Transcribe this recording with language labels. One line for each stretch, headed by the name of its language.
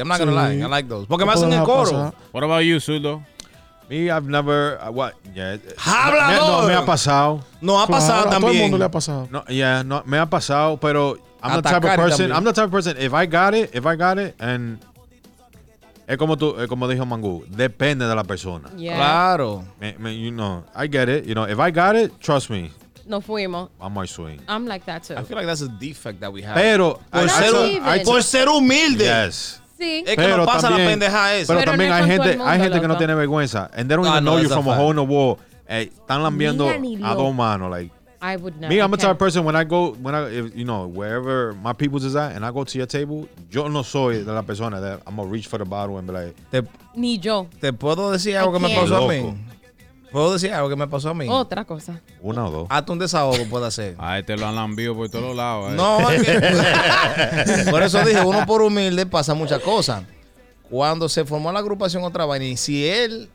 English: I'm not going to lie. I like those.
Spanish: Porque me hacen el coro.
English: What about you, Zurdo? Me, I've never... Yeah.
Spanish: ¡Háblalo! No, me ha pasado. No, ha pasado también. A todo el mundo le ha pasado. No, yeah, no, me ha pasado, pero...
English: I'm the type of person, if I got it, and...
Spanish: Es como dijo Mangú, depende de la persona.
English: Yeah. Claro. You know, I get it. You know, if I got it, trust me.
Spanish: No fuimos.
English: I'm my swing. I'm like that too. I feel like that's a defect that we have.
Spanish: Pero, por ser humilde. Yes. Sí. Es que pero no pasa también, la pendeja esa. Pero también no hay gente que no tiene vergüenza.
English: And they don't even know you from a hole in the wall.
Spanish: Hey, están lambiendo a dos manos.
English: Like, I would not. Me, I'm the type of person wherever my peoples is at and I go to your table,
Spanish: yo no soy de la persona
English: that I'm going to reach for the bottle and be like,
Spanish: ni yo. ¿Te puedo decir algo que me pasó a mí? ¿Puedo decir algo que me pasó a mí? Otra cosa. Una o dos. Hasta un desahogo puede hacer. Ay, te lo han lambido por todos lados. No, por eso dije, uno por humilde pasa muchas cosas. Cuando se formó la agrupación otra vaina, y si él.